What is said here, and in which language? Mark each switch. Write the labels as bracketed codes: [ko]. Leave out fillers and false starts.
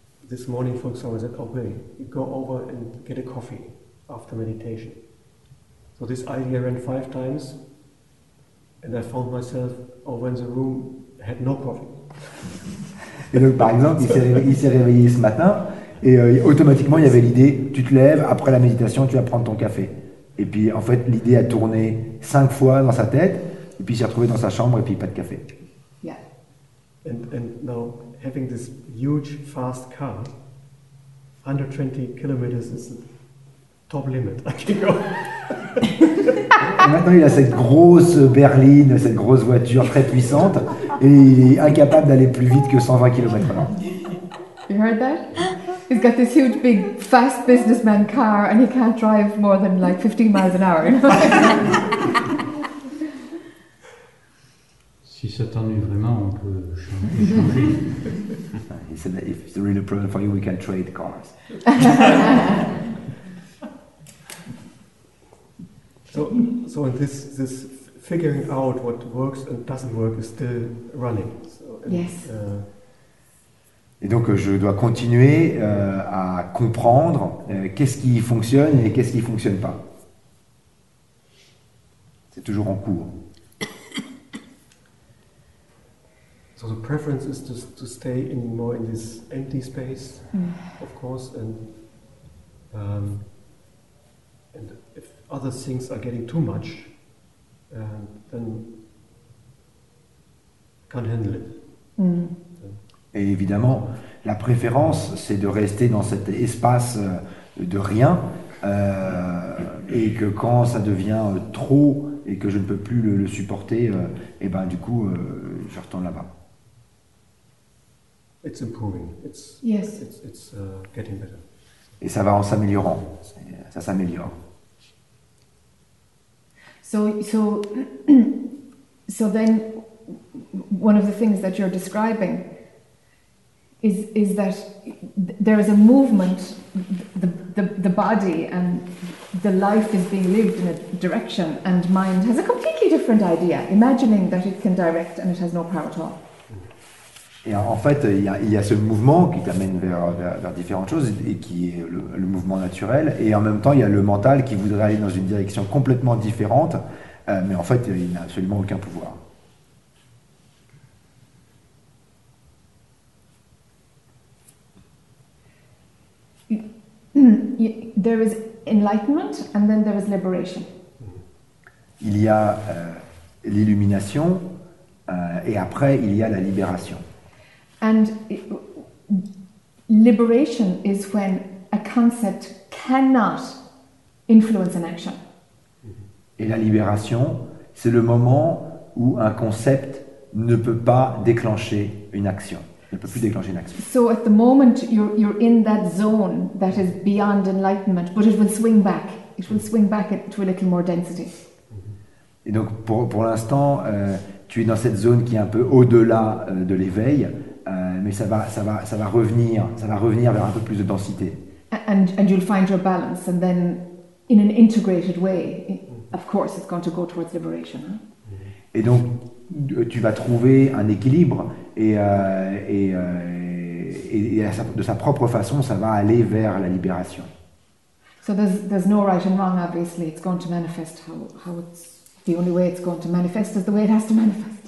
[en] This morning, for example, I said, okay, you go over and get a coffee after meditation. So this idea ran 5 times, and I found myself over in the room had no coffee. [fr] Et donc par exemple, il s'est réveillé ce matin et automatiquement il y avait l'idée, tu te lèves après la méditation, tu vas prendre ton café. Et puis en fait l'idée a tourné 5 fois dans sa tête et puis il s'est retrouvé dans sa chambre et puis pas de café. [en] Yeah. And now having this huge fast car, 120 kilometers is top limit. I can go. [fr] Maintenant, il a cette grosse berline, cette grosse voiture très puissante, et il est incapable d'aller plus vite que 120 km/h. [en] You heard that? He's got this huge, big, fast businessman car, and he can't drive more than like 15 miles an hour. [fr] Si ça t'ennuie vraiment, on peut changer. [en] He said that if it's really a problem for you, we can trade cars. So this figuring out what works and doesn't work is still running. Yes. [fr] Et donc je dois continuer à comprendre qu'est-ce qui fonctionne et qu'est-ce qui fonctionne pas. C'est toujours en cours. [en] So the preference is to stay in more in this empty space, of course, and if other things are getting too much, then can't handle it. Mm. [fr] Et évidemment, la préférence, c'est de rester dans cet espace de rien, et que quand ça devient trop et que je ne peux plus le supporter, et ben du coup, je retourne là-bas. [en] It's improving. It's, yes. It's getting better. [fr] Et ça va en s'améliorant. Ça s'améliore. [en] So then, one of the things that you're describing is that there is a movement, the body and the life is being lived in a direction, and mind has a completely different idea, imagining that it can direct and it has no power at all. [fr] Et en fait, il y a ce mouvement qui t'amène vers différentes choses et qui est le mouvement naturel. Et en même temps, il y a le mental qui voudrait aller dans une direction complètement différente, mais en fait, il n'a absolument aucun pouvoir. [en] There is enlightenment and then there is liberation. [fr] Il y a l'illumination et après il y a la libération. [en] And liberation is when a concept cannot influence an action. [fr] Et la libération, c'est le moment où un concept ne peut pas déclencher une action. Il ne peut plus déclencher une action. [en] So at the moment you're in that zone that is beyond enlightenment, but it will swing back. It will swing back to a little more density. [fr] Et donc pour l'instant, tu es dans cette zone qui est un peu au-delà de l'éveil. Mais ça va revenir vers un peu plus de densité. [en] And you'll find your balance, and then, in an integrated way, of course, it's going to go towards liberation. [fr] Et donc, tu vas trouver un équilibre, et de sa propre façon, ça va aller vers la libération. [en] So there's no right and wrong. Obviously, it's going to manifest how it's the only way it's going to manifest is the way it has to manifest.